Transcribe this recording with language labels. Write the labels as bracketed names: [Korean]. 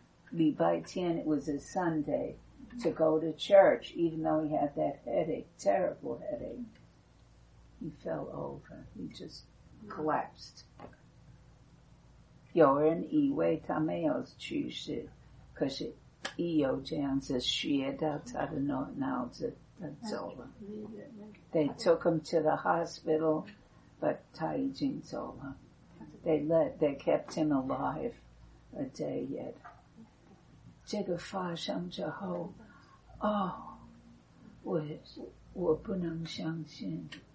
[Chinese] 礼拜天, [English] it was a Sunday, to go to church, even though he had that headache, terrible headache. He fell over. He just collapsed. [Chinese] 有人以为他没有去世，可是一有这样子血到他的脑子，他走了。 [English] They took him to the hospital, but [Chinese] 他已经走了。 [English] They kept him alive a day yet. [Chinese] 这个发生之后, oh, 我不能相信。